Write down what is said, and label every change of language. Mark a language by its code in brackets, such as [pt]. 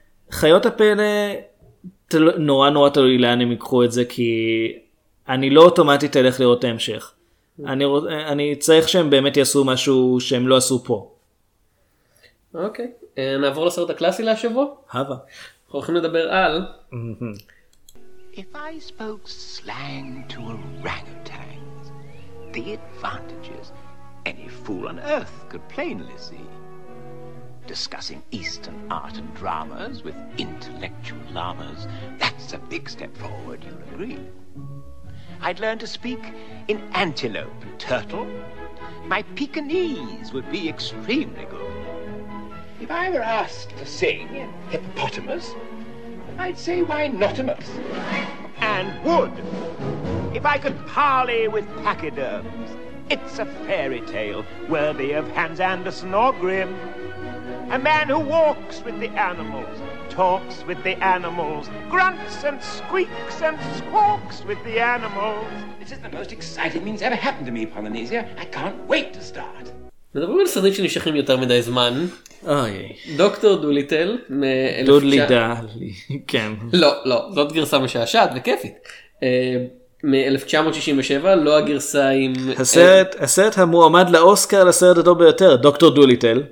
[he] חיות הפלא, נורא נורא תלוי לאן הם יקחו את זה, כי אני לא אוטומטית אלך לראות ההמשך. אני צריך שהם באמת יעשו משהו שהם לא עשו פה. אוקיי, נעבור לסרט הקלאסי להשבוע. הבא. אנחנו הולכים לדבר על... [en] If I spoke slang to orangutans, the advantages any fool on earth could plainly see. Discussing Eastern art and dramas with intellectual llamas, that's a big step forward, you'll agree. I'd learn to speak in antelope and turtle. My Pekingese would be extremely good. If I were asked to sing in hippopotamus, I'd say winotamus. And wood. If I could parley with pachyderms, it's a fairy tale worthy of Hans Andersen or Grimm. A man who walks with the animals, talks with the animals, grunts and squeaks and squawks with the animals. This is the most exciting thing that's ever happened to me, Polynesia. I can't wait to start. [he] מדברים על סרטים שנשכחים יותר מדי זמן. אוי. דוקטור דוליטל. דודלי דלי, כן. לא, לא, זאת גרסה משעשעת וכיפית. מ-1967, לא הגרסה עם... הסרט המועמד לאוסקר לסרט הטוב ביותר, דוקטור דוליטל.